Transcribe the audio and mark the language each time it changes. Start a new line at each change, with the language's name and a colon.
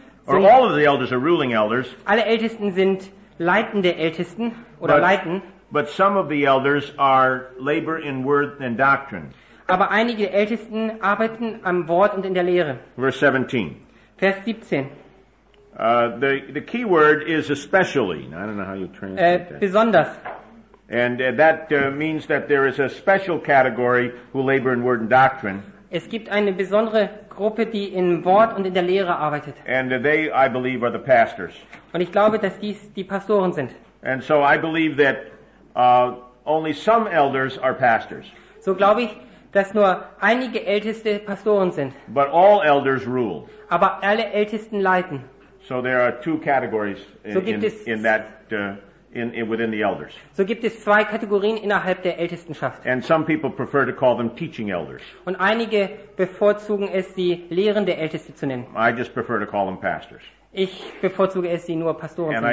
English: Or all of the elders are ruling elders.
German: Alle Ältesten sind leitende Ältesten oder leiten.
English: But some of the elders are labor in word and doctrine.
German: Aber einige Ältesten arbeiten am Wort und in der Lehre.
English: Verse 17.
German: Vers 17.
English: The key word is especially. I don't know how you translate that.
German: Besonders.
English: And that means that there is a special category who labor in word and doctrine.
German: Es gibt eine besondere Gruppe, die in Wort und in der Lehre arbeitet.
English: And they, I believe, are the pastors.
German: Und ich glaube, dass dies die Pastoren sind.
English: And so I believe that only some elders are pastors.
German: So glaube ich, dass nur einige Älteste Pastoren sind.
English: But all elders rule.
German: Aber alle Ältesten leiten.
English: So there are two categories within the elders.
German: So gibt es zwei Kategorien innerhalb der Ältestenschaft.
English: And some people prefer to call them teaching elders.
German: Und einige bevorzugen es, sie lehrende Älteste zu nennen.
English: I just prefer to call them pastors.
German: Ich bevorzuge es, sie nur Pastoren zu nennen.